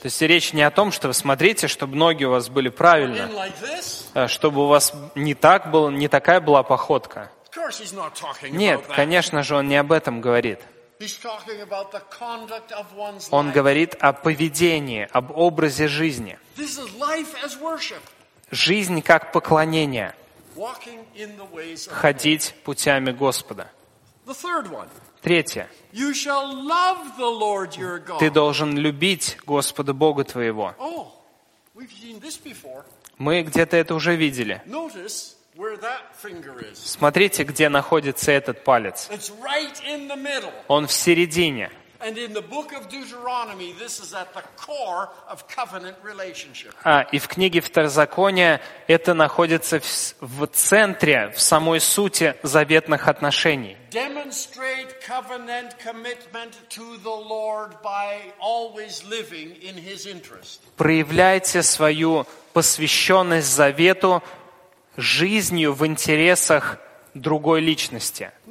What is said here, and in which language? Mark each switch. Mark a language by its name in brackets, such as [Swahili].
[Russian] То есть речь не о том, что вы смотрите, чтобы ноги у вас были правильно, [English] like this. [Russian] Чтобы у вас не так было, не такая была походка. [English] Of course he's not talking [Russian] Нет, [English] about that. [Russian] Конечно же, он не об этом говорит. [English] He's talking about the conduct of one's life. [Russian] Он говорит о поведении, об образе жизни. [English] This is life as worship. [Russian] Жизнь как поклонение. [English] Walking in the ways of [Russian] Ходить путями Господа. [English] The third one. [Russian] Третье. [English] You shall love the Lord your God. [Russian] Ты должен любить Господа Бога твоего. [English] Oh, we've seen this before. [Russian] Мы где-то это уже видели. [English] Notice where that finger is. [Russian] Смотрите, где находится этот палец. [English] It's right in the middle. [Russian] Он в середине. [English] And in the book of Deuteronomy, this is at the core of covenant relationship. [Russian] И в книге Второзакония это находится в центре, в самой сути заветных отношений. [English] Demonstrate covenant commitment to the Lord by always living in His interest. [Russian] Проявляйте свою посвященность завету жизнью в интересах другой личности.